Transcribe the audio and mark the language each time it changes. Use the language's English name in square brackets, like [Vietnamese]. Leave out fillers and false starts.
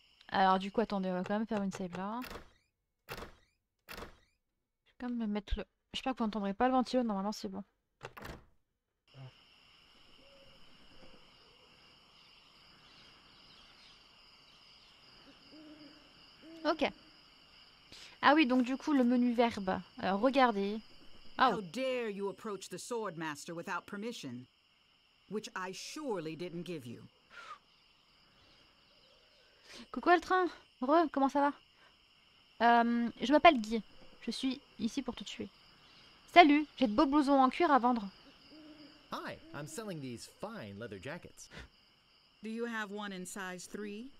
[French] Alors, du coup, attendez, on va quand même faire une save là. Je vais quand même me mettre le. J'espère que vous n'entendrez pas le ventilo, normalement, c'est bon. Ok. Ah oui, donc du coup le menu verbe. Alors regardez. Oh. [English] How dare you approach the swordmaster without permission, which I surely didn't give you. [French] Coucou Altrin, re, comment ça va? Je m'appelle Guy. Je suis ici pour te tuer. Salut, j'ai de beaux blousons en cuir à vendre. [English] Hi, I'm selling these fine leather jackets. Do you have one in size 3?